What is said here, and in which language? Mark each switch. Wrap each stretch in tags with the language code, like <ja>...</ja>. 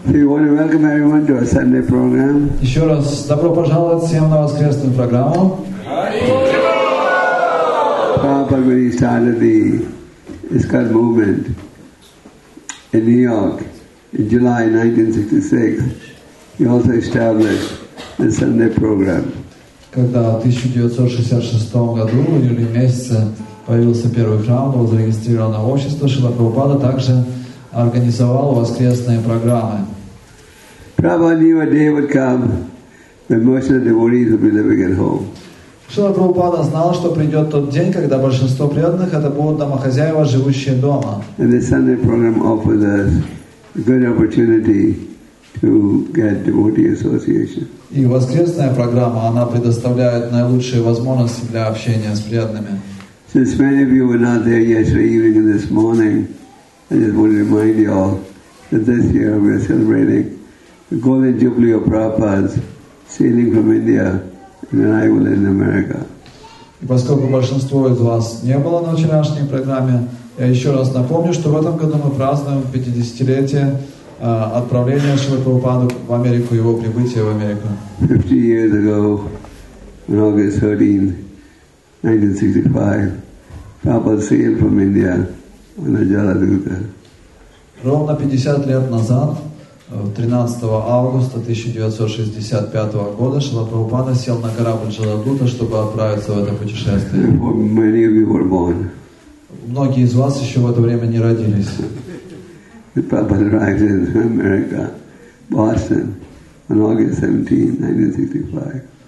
<en>We want to welcome everyone to our Sunday program.</en> <ru>Еще раз добро пожаловать всем на воскресную программу.</ru> <en>Papa, when he started the ISKCON movement in New York in July 1966, he also established the Sunday program.</en> <ru>Когда в 1966 году, в июле месяце, появился первый храм, был зарегистрирован на общество, Шрила Прабхупада также организовал воскресные программы.</ru> <en>Prabhupada knew a day would come when most of the devotees would be living at home.</en> <ru>Шрила Прабхупада знал, что придет тот день, когда большинство преданных это будут домохозяева, живущие дома.</ru> <en>And the Sunday program offers us a good opportunity to get devotee association.</en> <ru>И воскресная программа, она предоставляет наилучшие возможности для общения с преданными.</ru> <en>Since many of you were not there yesterday evening and this morning, I just want to remind you all that this year we are celebrating the Golden Jubilee of Prabhupada's sailing from India and arrival in America.</en> <ru>И поскольку большинство из вас не было на вчерашней программе, я еще раз напомню, что в этом году мы празднуем 50-летие отправления Шрилы Прабхупады в Америку, его прибытия в Америку.</ru> <en>50 years ago, on August 13, 1965, Prabhupada sailed from India on a Jaladuta.</en> <ru>Ровно 50 лет назад, 13 августа 1965 года, Шрила Прабхупада сел на корабль Джаладута, чтобы отправиться в это путешествие.</ru> <en>Before many of you were born.</en> <ru>Многие из вас еще в это время не родились.</ru> <en>Prabhupada arrived in America, Boston, on August 17, 1965.</en>